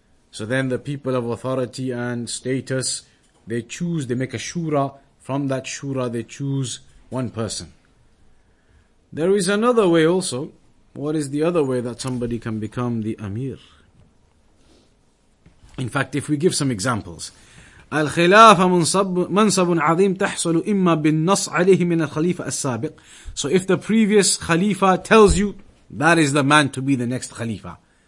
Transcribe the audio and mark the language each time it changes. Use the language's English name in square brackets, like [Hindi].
[English] So then the people of authority and status, they choose, they make a shura. From that shura, they choose one person. There is another way also. What is the other way that somebody can become the Amir? In fact, if we give some examples. [Arabic] الخلافة منصب عظيم تحصل إما بالنص عليه من الخليفة السابق. [English] So if the previous Khalifa tells you, that is the man to be the next Khalifa.